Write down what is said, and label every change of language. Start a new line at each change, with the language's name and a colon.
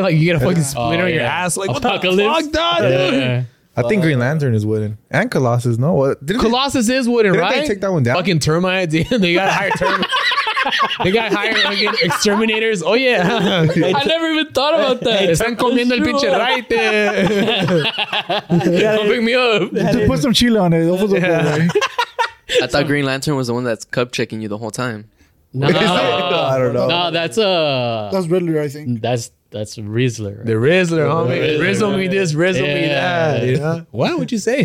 English: Like you get a fucking splinter on your ass. Like Apocalypse. What the fuck, dude? Yeah. I think Green Lantern is wooden. And Colossus, no. What? Colossus is wooden, didn't right? Didn't they take that one down? Fucking termites. They got higher termites. They got hired like exterminators. Oh yeah, I never even thought about that.
Spanish: Están comiendo el pinche
English: right there. Don't pick me up. Just put some chile on it. Yeah. Okay, right? I thought Green Lantern was the one that's cup checking you the whole time. No, that's Riddler, I think. That's Rizzler. The Rizzler, homie. Rizzle me this, Rizzle me that. You know? What would you say?